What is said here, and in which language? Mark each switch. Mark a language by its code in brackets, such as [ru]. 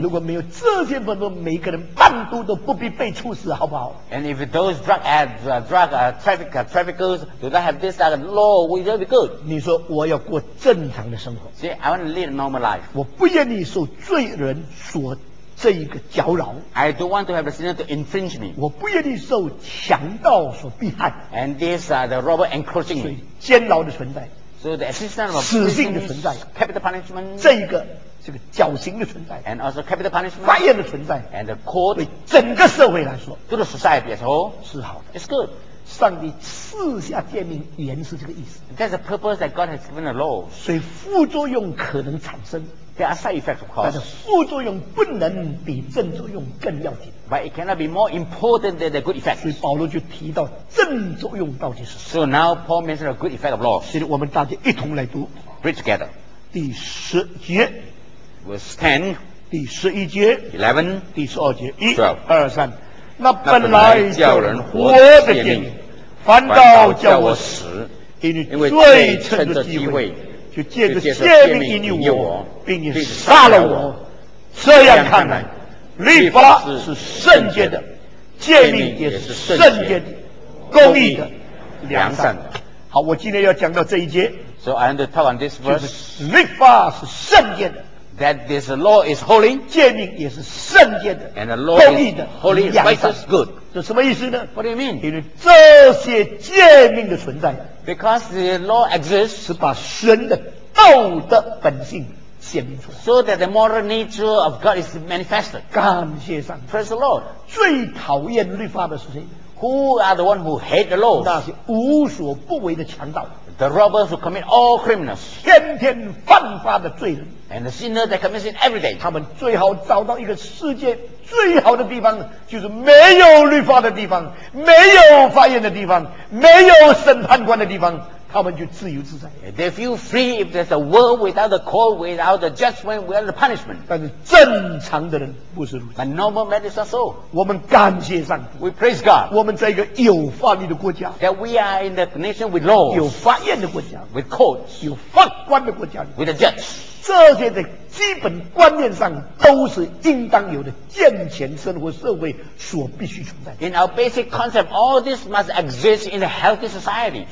[zh] 如果没有这些坟墓，每个人半途都不必被处死，好不好？ [en] And if those drug addicts, traffickers do not have this law, would that be good? [zh] 你说我要过正常的生活。 [en] See, I want to live a normal life. [zh] 我不愿意受罪人所这一个搅扰。 [en] I don't want to have a sinner to infringe me. [zh] 我不愿意受强盗所逼害。 [en] And these are the robber encroaching me. [zh] 所以监牢的存在。 [en] So the existence of a [zh] prison. 死刑的存在。 [en] Capital punishment. [zh] 这个绞刑的存在。 [en] And also capital punishment. [zh] 法院的存在。 [en] And the court. [zh] 对整个社会来说。 [en] To the society as a whole. [zh] 是好的。 [en] It's good. [zh] 上帝赐下诫命，原是这个意思。 [en] That's the purpose that God has given the law. [zh] 所以副作用可能产生。 [en] There are side effects, of course. [zh] 但是副作用不能比正作用更要紧。 [en] But it cannot be more important than the good effects. [zh] 所以保罗就提到正作用到底是什么。 [en] So now Paul mentioned the good effect of law. [zh] 所以我们大家一同来读。 [en] Read together. [zh] 第十节。 [en] Verse ten. [zh] 第十一节。 [en] Eleven. [zh] 第十二节。一。 [en] Twelve. [zh] 二三。那本来叫人活的诫命，反倒叫我死，因为罪趁着机会，就借着诫命引诱我，并且杀了我。这样看来，律法是圣洁的，诫命也是圣洁的、公义的、良善的。好，我今天要讲到这一节。 [en] So I want to talk on this verse. [zh] 就是律法是圣洁的。 [en] That this law is holy, [zh] 诫命也是圣洁的， [en] and the law is holy, righteous, good. [zh] 这什么意思呢？ [en] What do you mean? [zh] 因为这些诫命的存在， [en] because the law exists, [zh] 是把神的道德本性显明出来， [en] so that the moral nature of God is manifested. [zh] 感谢上帝。 [en] Praise the Lord. [zh] 最讨厌律法的是谁？ [en] Who are the one who hate the laws? [zh] 那些无所不为的强盗。 [en] The robbers who commit all criminals. [zh] 天天犯法的罪人。 [en] And the sinners that commit sin every day. [zh] 他们最好找到一个世界最好的地方，就是没有律法的地方，没有法院的地方，没有审判官的地方，他们就自由自在。 [en] They feel free if there's a world without the court, without the judgment, without the punishment. [zh] 但是正常的人不是如此。 [en] But normal men is not so. [zh] 我们感谢上帝。 [en] We praise God. [zh] 我们在一个有法律的国家。 [en] That we are in the nation with laws. [zh] 有法院的国家。 [en] With courts. [zh] 有法官的国家。 [en] With a judge. [zh] 这些的基本观念上都是应当有的，健全生活社会所必须存在。 [en] In our basic concept, all this must exist in a healthy society.